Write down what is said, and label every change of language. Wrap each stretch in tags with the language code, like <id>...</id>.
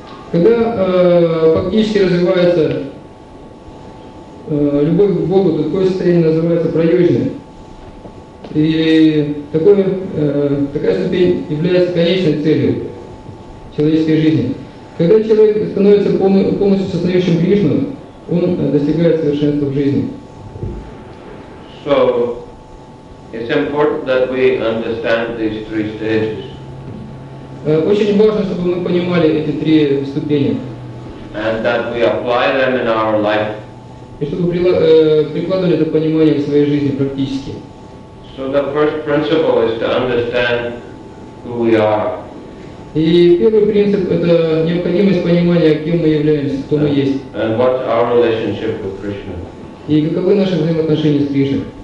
<ru>Когда фактически развивается любовь к Богу, то такое состояние называется прайожне. И такая ступень является конечной целью человеческой жизни. Когда человек становится полностью сознающим Кришну, он достигает совершенства в жизни.</ru> <en>So, it's important that we understand these three stages.</en> <ru>Очень важно, чтобы мы понимали эти три ступени.</ru> <en>And that we apply them in our life.</en> <ru>И чтобы прикладывали это понимание в своей жизни практически.</ru> <en>So, the first principle is to understand who we are.</en> <ru>И первый принцип – это необходимость понимания, кем мы являемся, кто мы есть.</ru> <en>And what's our relationship with Krishna.</en> <ru>И каковы наши взаимоотношения с Кришной?</ru>